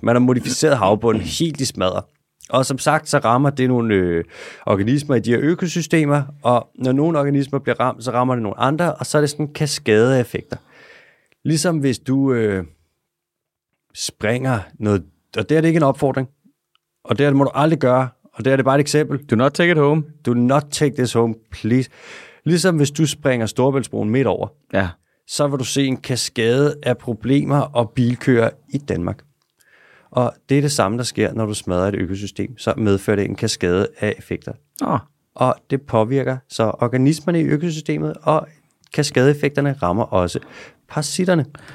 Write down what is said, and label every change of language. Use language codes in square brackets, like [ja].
[da] Man har modificeret havbunden helt i smadder. Og som sagt, så rammer det nogle organismer i de her økosystemer. Og når nogle organismer bliver ramt, så rammer det nogle andre. Og så er det sådan kaskadeeffekter. Ligesom hvis du springer noget... Og det er det ikke en opfordring. Og det må du aldrig gøre. Og det er det bare et eksempel. [en] Do not take it home. Do not take this home, please. [da] Ligesom hvis du springer Storebæltsbroen midt over, ja, så vil du se en kaskade af problemer og bilkøer i Danmark. Og det er det samme, der sker, når du smadrer et økosystem, så medfører det en kaskade af effekter. Oh. Og det påvirker så organismerne i økosystemet, og kaskadeeffekterne rammer også parasitterne.